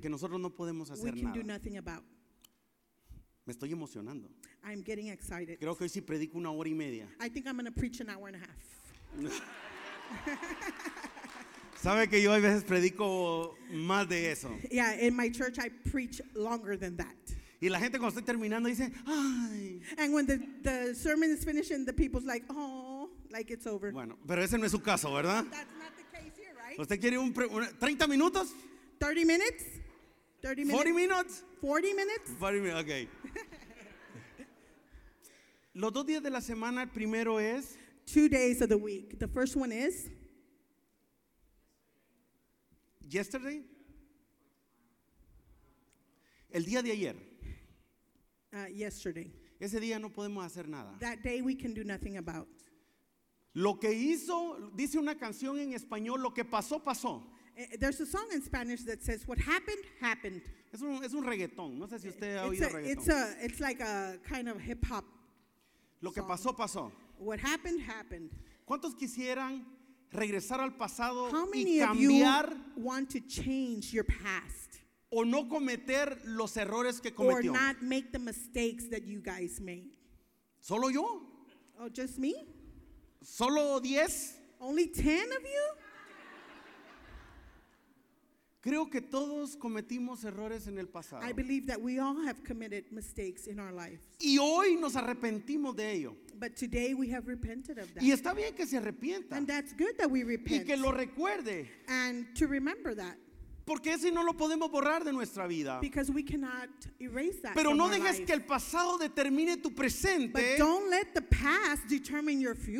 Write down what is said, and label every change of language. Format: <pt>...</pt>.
<es>que nosotros no podemos hacer</es> <en>we can</en> <es>nada.</es> <en>Do nothing about.</en> <es>Me estoy emocionando.</es> <en>I'm getting excited.</en> <es>Creo que hoy sí predico una hora y media.</es> <en>I think I'm going to preach an hour and a half.</en> <es>Sabe que yo a veces predico más de eso.</es> <en>Yeah, in my church I preach longer than that.</en> <es>Y la gente cuando estoy terminando dice, ay.</es> <en>And when the sermon is finishing, the people's like, oh. Like it's over.</en> <es>Bueno, pero ese no es su caso, ¿verdad?</es> <en>That's not the case here, right?</en> <es>¿Usted quiere un 30 minutos?</es> <en>30 minutes? 30 minutes? 40 minutes? 40 minutes? 40 minutes, okay.</en> <es>Los dos días de la semana, el primero es</es> <en>2 days of the week. The first one is yesterday.</en> <es>El día de ayer.</es> <en>Yesterday.</en> <es>Ese día no podemos hacer nada.</es> <en>That day we can do nothing about.</en> <es>Lo que hizo, dice una canción en español, lo que pasó, pasó.</es> <en>There's a song in Spanish that says, what happened, happened.</en> <es>Es un reggaetón, no sé si usted ha</es> <en>it's</en> <es>oído a, reggaetón.</es> <en>It's like a kind of hip-hop</en> <es>Lo que pasó, pasó.</es> <en>What happened, happened.</en> <es>¿Cuántos quisieran regresar al pasado y cambiar?</es> <en>How many of you want to change your past?</en> <es>O no cometer los errores que cometió.</es> <en>Or not make the mistakes that you guys made.</en> <es>¿Solo yo?</es> <en>Oh, just me?</en> <es>Solo 10?</es> <en>Only 10 of you?</en> <es>Creo que todos cometimos errores en el pasado.</es> <en>I believe that we all have committed mistakes in our life.</en> <es>Y hoy nos arrepentimos de ello.</es> <en>But today we have repented of that.</en> <es>Y está bien que se arrepienta.</es> <en>And that's good that we repent.</en> <es>Y que lo recuerde.</es> <en>And to remember that.</en> <es>Porque ese no lo podemos borrar de nuestra vida.</es> <en>Because we cannot erase that.</en> <es>Pero no dejes que el pasado determine tu presente.</es> <en>But don't let the past determine your future.</en>